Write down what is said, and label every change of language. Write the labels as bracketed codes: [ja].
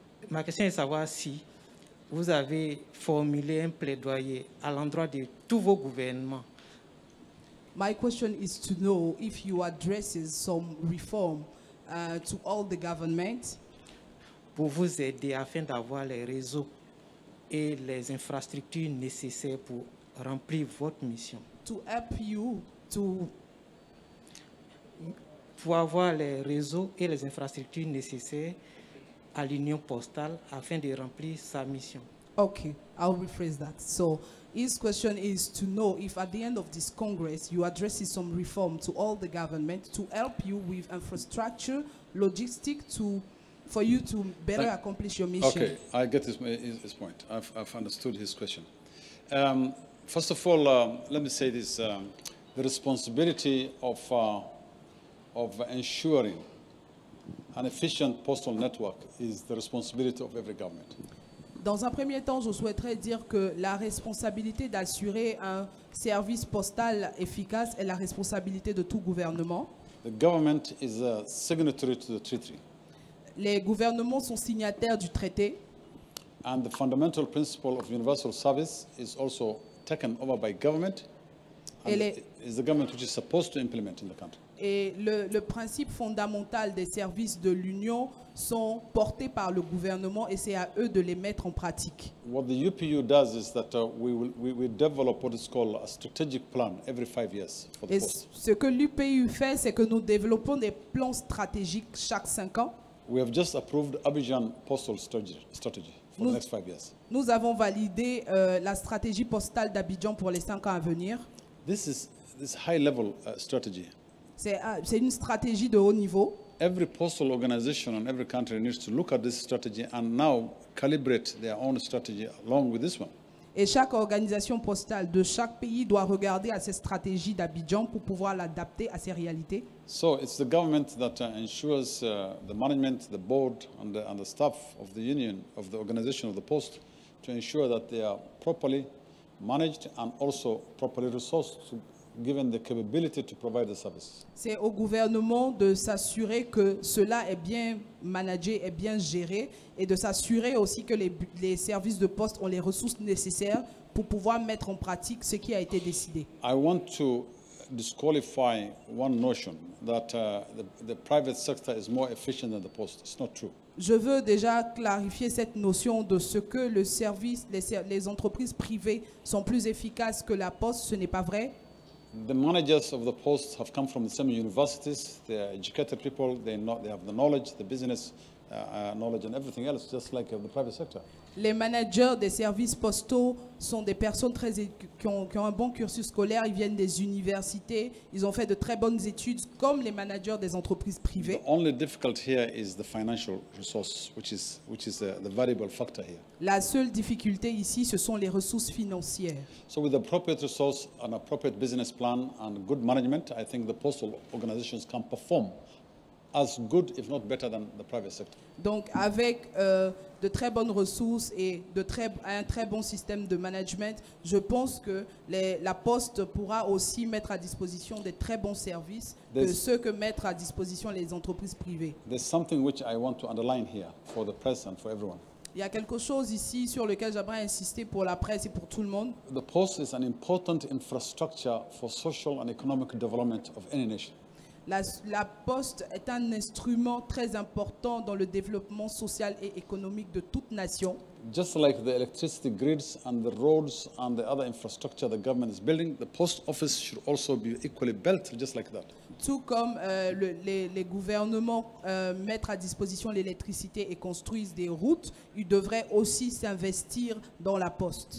[fr] Ma question est de savoir si vous avez formulé un plaidoyer à l'endroit de tous vos gouvernements. [en] My question is to know if you addresses some reform to all the governments. [fr] Pour vous aider afin d'avoir les réseaux et les infrastructures nécessaires pour remplir votre mission. [en] To help you to... [fr] Pour avoir les réseaux et les infrastructures nécessaires à l'Union Postale afin de remplir sa mission. [en] Okay, I'll rephrase that. So, his question is to know if at the end of this Congress you address some reform to all the government to help you with infrastructure, logistics, for you to better accomplish your mission. Okay, I get his point. I've understood his question. First of all, let me say this. The responsibility of ensuring an efficient postal network is the responsibility of every government. [fr] Dans un premier temps, je souhaiterais dire que la responsabilité d'assurer un service postal efficace est la responsabilité de tout gouvernement. [en] The government is a signatory to the treaty. [fr] Les gouvernements sont signataires du traité. [en] And the fundamental principle of universal service is also taken over by government. It's the government which is supposed to implement in the country. [fr] Et le principe fondamental des services de l'Union sont portés par le gouvernement et c'est à eux de les mettre en pratique. [en] What the UPU does is that we develop what is called a strategic plan every 5 years for the post. [fr] Ce que l'UPU fait, c'est que nous développons des plans stratégiques chaque 5 ans. [en] We have just approved Abidjan postal strategy for the next 5 years. [fr] Nous avons validé la stratégie postale d'Abidjan pour les 5 ans à venir. [en] This high level strategy. [fr] C'est une stratégie de haut niveau. [en] Every postal organization in every country needs to look at this strategy and now calibrate their own strategy along with this one. [fr] Et chaque organisation postale de chaque pays doit regarder à cette stratégie d'Abidjan pour pouvoir l'adapter à ses réalités. [en] So it's the government that ensures the management, the board and the staff of the union of the organization of the post to ensure that they are properly managed and also properly resourced to given the capability to provide the service. [fr] C'est au gouvernement de s'assurer que cela est bien managé et bien géré et de s'assurer aussi que les services de poste ont les ressources nécessaires pour pouvoir mettre en pratique ce qui a été décidé. [en] I want to disqualify one notion that the private sector is more efficient than the post. It's not true. [fr] Je veux déjà clarifier cette notion de ce que le service, les entreprises privées sont plus efficaces que la poste. Ce n'est pas vrai. [en] The managers of the post have come from the same universities. They are educated people. They have the knowledge, the business knowledge, and everything else, just like the private sector. [fr] Les managers des services postaux sont des personnes très qui ont un bon cursus scolaire. Ils viennent des universités. Ils ont fait de très bonnes études, comme les managers des entreprises privées. [en] The only difficulty here is the financial resource, which is the variable factor here. [fr] La seule difficulté ici, ce sont les ressources financières. [en] So with appropriate resources, an appropriate business plan, and good management, I think the postal organizations can perform as good, if not better, than the private sector. [fr] Donc avec de très bonnes ressources et un très bon système de management, je pense que la poste pourra aussi mettre à disposition des très bons services que ceux que mettent à disposition les entreprises privées. [en] There's something which I want to underline here for the press and for everyone. [fr] Il y a quelque chose ici sur lequel j'aimerais insister pour la presse et pour tout le monde. [en] The post is an important infrastructure for social and economic development of any nation. [fr] La poste est un instrument très important dans le développement social et économique de toute nation. [en] Just like the electricity grids and the roads and the other infrastructure the government is building, the post office should also be equally built, just like that. [fr] Tout comme les gouvernements mettent à disposition l'électricité et construisent des routes, ils devraient aussi s'investir dans la poste.